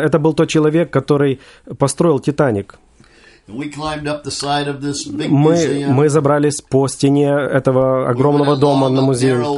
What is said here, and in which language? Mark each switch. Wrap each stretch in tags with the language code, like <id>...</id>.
<ru>это был тот человек, который построил Титаник.</ru> <en>We climbed up the side of this big museum.</en> <ru>Мы забрались по стене этого огромного дома на музей.</ru>